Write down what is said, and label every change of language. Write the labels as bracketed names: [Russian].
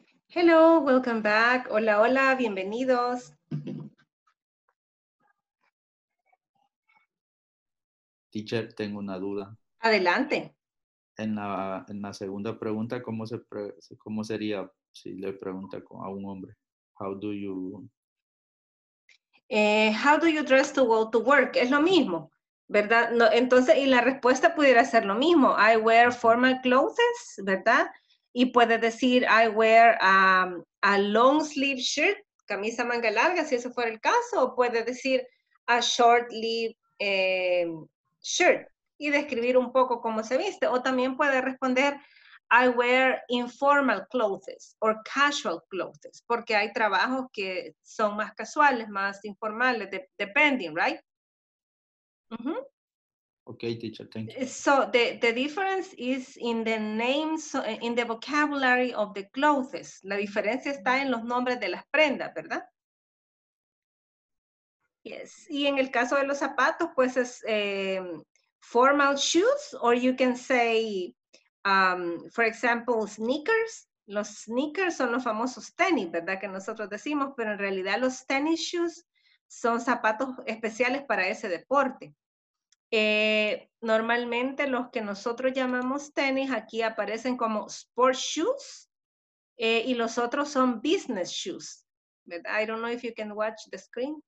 [English] Hello, welcome back. [Spanish] Hola, hola, bienvenidos. Teacher, tengo una duda. Adelante. En la segunda pregunta, ¿cómo sería si le pregunta a un hombre? [English] How do you dress to go to work? [Spanish] Es lo mismo, ¿verdad? No, entonces, y la respuesta pudiera ser lo mismo. [English] I wear formal clothes, [Spanish] ¿verdad? Y puede decir, [English] I wear a long sleeve shirt, [Spanish] camisa manga larga, si eso fuera el caso. O puede decir, [English] a short sleeve shirt. [Spanish] Y describir un poco cómo se viste. O también puede responder, [English] I wear informal clothes or casual clothes. [Spanish] Porque hay trabajos que son más casuales, más informales, [English] depending, right? Mm-hmm. Okay, teacher, thank you. So the difference is in the names, in the vocabulary of the clothes. [Spanish] La diferencia está en los nombres de las prendas, ¿verdad? Yes. Y en el caso de los zapatos, pues es... [English] formal shoes, or you can say, for example, sneakers. [Spanish] Los sneakers son los famosos tenis, ¿verdad? Que nosotros decimos, pero en realidad los tennis shoes son zapatos especiales para ese deporte. Normalmente los que nosotros llamamos tenis aquí aparecen como sport shoes, y los otros son business shoes, ¿verdad? [English] I don't know if you can watch the screen.